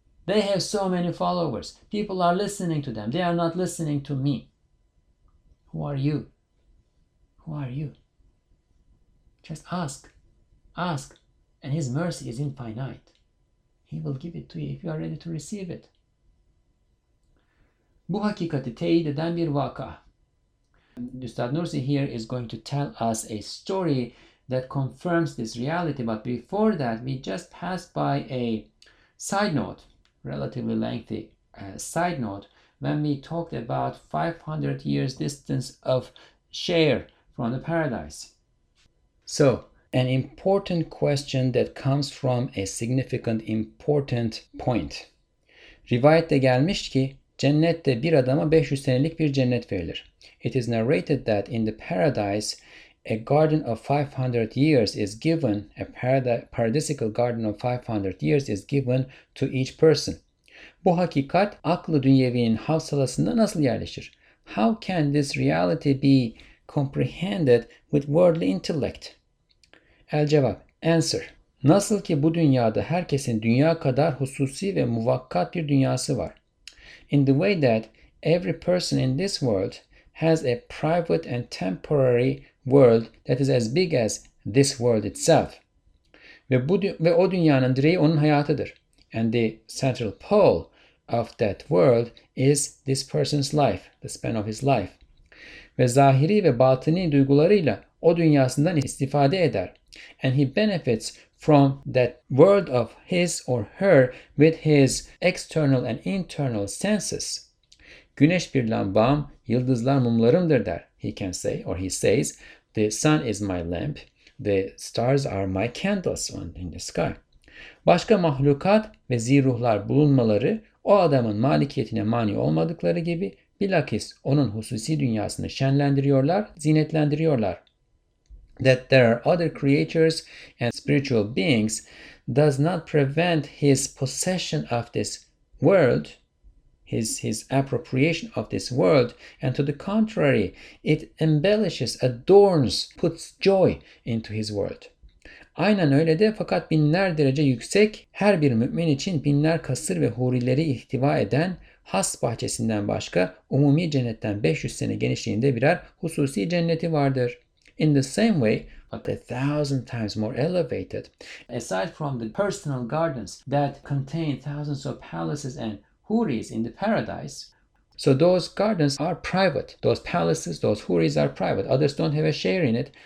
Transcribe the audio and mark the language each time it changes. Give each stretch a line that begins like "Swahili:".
English: They have so many followers. People are listening to them. They are not listening to me. Who are you? Who are you? Just ask. Ask. And His mercy is infinite. He will give it to you if you are ready to receive it.
Turkish: Bu hakikati teyideden bir vaka.
English: Üstad Nursi here is going to tell us a story that confirms this reality. But before that, we just passed by a side note, relatively lengthy side note, when we talked about 500 years distance of share from the paradise. So, an important question that comes from a significant important point.
Turkish: Rivayette gelmiş ki, cennette bir adama 500 senelik bir cennet verilir.
English: It is narrated that in the paradise, a garden of 500 years is given, a paradisical garden of 500 years is given to each person.
Turkish: Bu hakikat aklı dünyevinin hafsalasında nasıl yerleşir?
English: How can this reality be comprehended with worldly intellect?
Turkish: El cevap, answer. Nasıl ki bu dünyada herkesin dünya kadar hususi ve muvakkat bir dünyası var.
English: In the way that every person in this world has a private and temporary world that is as big as this world itself.
Turkish: Ve o dünyanın direği onun hayatıdır.
English: And the central pole of that world is this person's life, the span of his life.
Turkish: Ve zahiri ve batini duygularıyla o dünyasından istifade eder.
English: And he benefits from that world of his or her with his external and internal senses.
Turkish: Güneş bir lambam, yıldızlar mumlarımdır der.
English: He can say, or he says, the sun is my lamp, the stars are my candles in the sky.
Turkish: Başka mahlukat ve zîruhlar bulunmaları o adamın malikiyetine mani olmadıkları gibi bilakis onun hususi dünyasını şenlendiriyorlar, zinetlendiriyorlar.
English: That there are other creatures and spiritual beings does not prevent his possession of this world, his appropriation of this world, and to the contrary, it embellishes, adorns, puts joy into his world.
Turkish: Aynen öyle de fakat binler derece yüksek, her bir mümin için binler kasır ve hurileri ihtiva eden has bahçesinden başka umumi cennetten 500 sene genişliğinde birer hususi cenneti vardır.
English: In the same way, but 1,000 times more elevated, aside from the personal gardens that contain thousands of palaces and huris in the paradise, so those gardens are private. Those palaces, those huris are private. Others don't have a share in it.